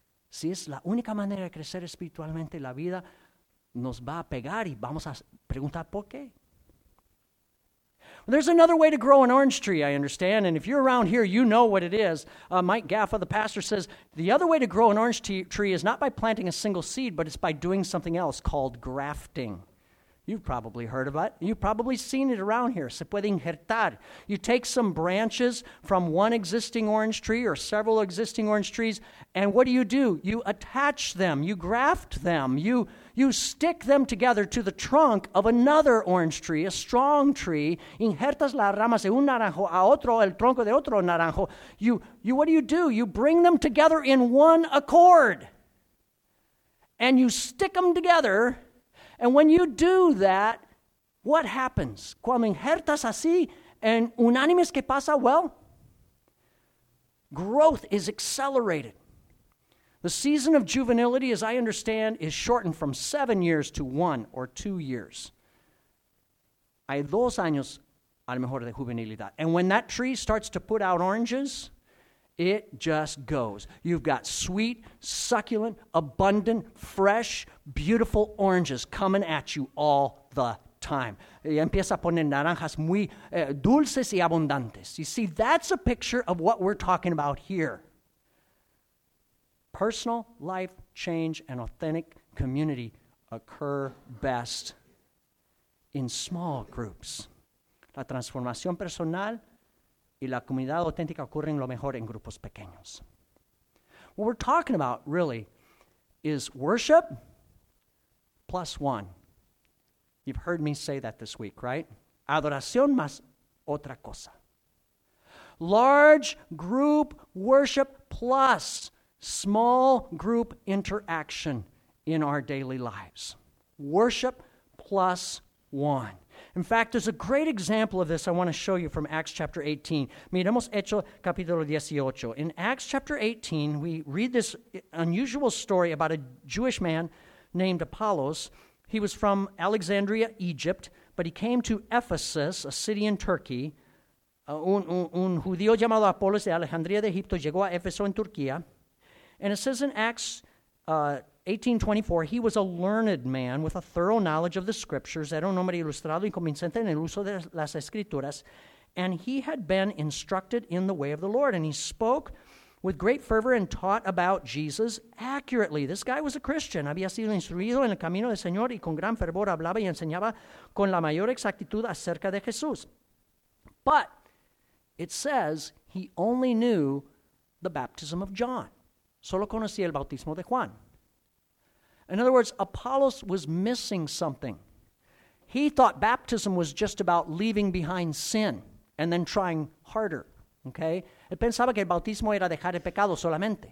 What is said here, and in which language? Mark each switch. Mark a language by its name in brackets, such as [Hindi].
[Spanish] Si es la única manera de crecer espiritualmente, la vida nos va a pegar y vamos a preguntar por qué. [English] There's another way to grow an orange tree, I understand, and if you're around here, you know what it is. Mike Gaffa, the pastor, says, the other way to grow an orange tree is not by planting a single seed, but it's by doing something else called grafting. You've probably heard of it. You've probably seen it around here. [Spanish] Se puede injertar. [English] You take some branches from one existing orange tree or several existing orange trees, and what do? You attach them. You graft them. You stick them together to the trunk of another orange tree, a strong tree. [Spanish] Injertas las ramas de un naranjo a otro, el tronco de otro naranjo. [English] You what do? You bring them together in one accord, and you stick them together. And when you do that, what happens? [Spanish] Cuando injertas así en unánimes, ¿qué pasa? [English] Well, growth is accelerated. The season of juvenility, as I understand, is shortened from 7 years to 1 or 2 years. [Spanish] Hay dos años a lo mejor de juvenilidad. [English] And when that tree starts to put out oranges, it just goes. You've got sweet, succulent, abundant, fresh, beautiful oranges coming at you all the time. [Spanish] Y empieza a poner naranjas muy dulces y abundantes. [English] You see, that's a picture of what we're talking about here. Personal life change and authentic community occur best in small groups. [Spanish] La transformación personal y la comunidad auténtica ocurren lo mejor en grupos pequeños. [English] What we're talking about, really, is worship plus one. You've heard me say that this week, right? [Spanish] Adoración más otra cosa. [English] Large group worship plus small group interaction in our daily lives. Worship plus one. In fact, there's a great example of this I want to show you from Acts chapter 18. [Spanish] Miremos Hechos capítulo 18. [English] In Acts chapter 18, we read this unusual story about a Jewish man named Apollos. He was from Alexandria, Egypt, but he came to Ephesus, a city in Turkey. [Spanish] Un judío llamado Apollos de Alejandría de Egipto llegó a Éfeso en Turquía. [English] And it says in Acts 18:24, he was a learned man with a thorough knowledge of the scriptures, [Spanish] era un hombre ilustrado y convincente en el uso de las escrituras, [English] and he had been instructed in the way of the Lord, and he spoke with great fervor and taught about Jesus accurately. This guy was a Christian. [Spanish] Había sido instruido en el camino del Señor y con gran fervor hablaba y enseñaba con la mayor exactitud acerca de Jesús. [English] But it says he only knew the baptism of John. [Spanish] Solo conocía el bautismo de Juan. [English] In other words, Apollos was missing something. He thought baptism was just about leaving behind sin and then trying harder. Okay? [Spanish] Él pensaba que el bautismo era dejar el pecado solamente.